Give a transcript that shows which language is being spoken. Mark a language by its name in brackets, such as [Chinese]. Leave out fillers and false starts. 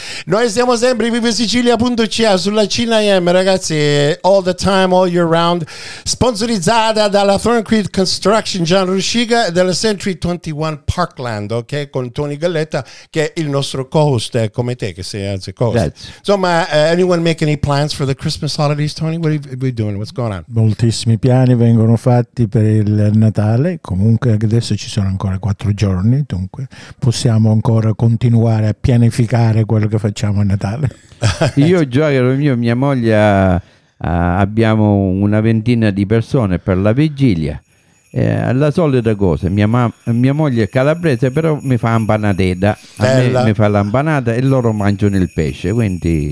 [Italian] Noi siamo sempre vivesicilia.ca sulla CNIM, ragazzi, [English] all the time, all year round, [Italian] sponsorizzata dalla Thorncreed Construction Gian Ruscica e della Century 21 Parkland, ok, con Tony Galletta che è il nostro co-host, come te che sei, anzi, co-host. Insomma, [English] anyone make any plans for the Christmas holidays, Tony? What are we doing? What's going on? [Italian] Moltissimi piani vengono fatti per il Natale, comunque adesso ci sono ancora 4 giorni, dunque possiamo ancora continuare a pianificare quello che facciamo a Natale. Io già, caro mio, mia moglie abbiamo una ventina di persone per la vigilia, la solita cosa, mia moglie è calabrese, però mi fa impanateda, a me mi fa l'impanata e loro mangiano il pesce, quindi...